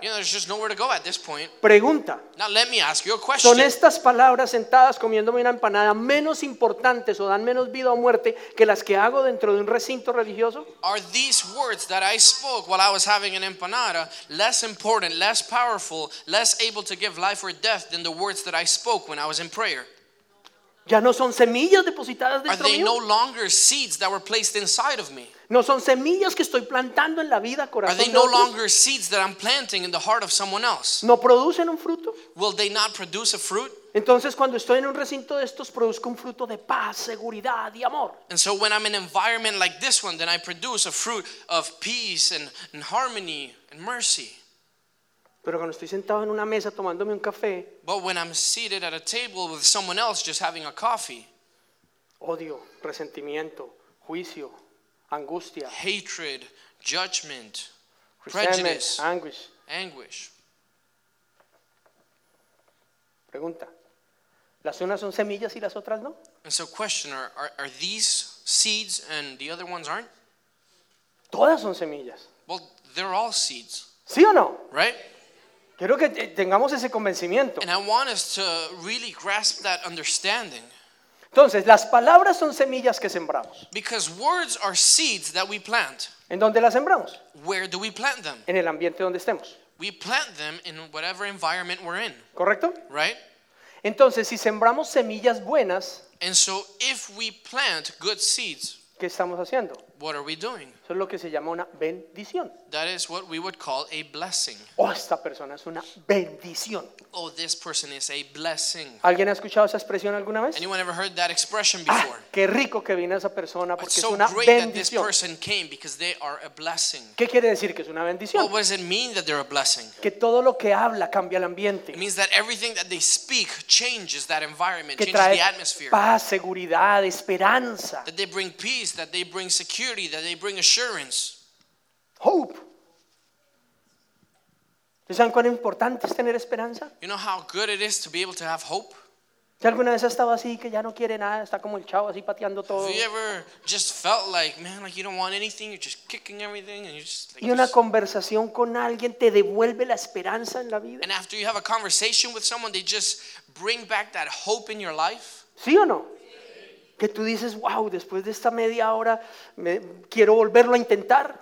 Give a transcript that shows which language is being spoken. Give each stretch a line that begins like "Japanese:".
English: You know, there's just nowhere to go at this point.
Spanish: Pregunta.
English: Now let me ask you a question.
Spanish: ¿Son estas palabras sentadas comiéndome una empanada menos importantes o dan menos vida o muerte que las que hago dentro de un recinto religioso?
English: Are these words that I spoke while I was having an empanada less important, less powerful, less able to give life or death than the words that I spoke when I was in prayer?
Spanish: Ya no son semillas depositadas dentro mío.
English: Are they no longer seeds that were placed inside of me?
Spanish: No son semillas que estoy plantando en la vida, corazón de otros.
English: Are they no longer seeds that I'm planting in the heart of someone else?
Spanish: No producen un fruto.
English: Will they not produce a fruit?
Spanish: Entonces cuando estoy en un recinto de estos produzco un fruto de paz, seguridad y amor.
English: And so when I'm in an environment like this one, then I produce a fruit of peace and harmony and mercy.
Spanish: Pero cuando estoy sentado en una mesa tomándome un café,
English: but when I'm seated at a table with someone else just having a coffee,
Spanish: odio, resentimiento, juicio, angustia,
English: hatred, judgment, prejudice, anguish.
Spanish: Pregunta. Las unas son semillas y las otras no?
English: And so question, are these seeds and the other ones aren't?
Spanish: Todas son semillas.
English: Well, they're all seeds.
Spanish: ¿Sí o no?
English: Right?
Spanish: Quiero que tengamos ese convencimiento.
English: And I want us to really grasp that understanding.
Spanish: Entonces, las palabras son semillas que sembramos.
English: Because words are seeds that we plant.
Spanish: ¿En dónde las sembramos?
English: Where do we plant them?
Spanish: En el ambiente donde estemos.
English: We plant them in whatever environment we're in.
Spanish: ¿Correcto?
English: Right?
Spanish: Entonces, si sembramos semillas buenas,
English: and so if we plant good seeds,
Spanish: ¿qué estamos haciendo?
English: What are we doing?
Spanish: Eso es lo que se llama una bendición.
English: That is what we would call a blessing.
Spanish: Oh, esta persona es una bendición.
English: Oh, this person is a blessing.
Spanish: ¿Alguien ha escuchado esa expresión alguna vez?
English: Anyone ever heard that expression before?
Spanish: Ah, qué rico que vino esa persona porque
English: it's so
Spanish: es una
English: great
Spanish: bendición.
English: That this person came because they are a blessing.
Spanish: ¿Qué quiere decir que es una bendición?
English: Well, what does it mean that they're a blessing?
Spanish: Que todo lo que habla cambia el ambiente.
English: It means that everything that they speak changes that environment,
Spanish: que
English: changes
Spanish: trae
English: the atmosphere.
Spanish: Paz, seguridad, esperanza.
English: That they bring peace, that they bring security, that they bring assurance. Hope.
Spanish: ¿Saben cuán importante es tener esperanza?
English: You know how good it is to be able to have hope?
Spanish: ¿Si alguna vez ha estado así que ya no quiere nada, está como el chavo así pateando todo?
English: Have you ever just felt like, man, like you don't want anything, you're just kicking everything and you're just like,
Spanish: y una conversación con alguien te devuelve la esperanza en la vida?
English: And after you have a conversation with someone, they just bring back that hope in your life?
Spanish: ¿Sí o no? Que tú dices, wow, después de esta media hora, quiero volverlo a intentar.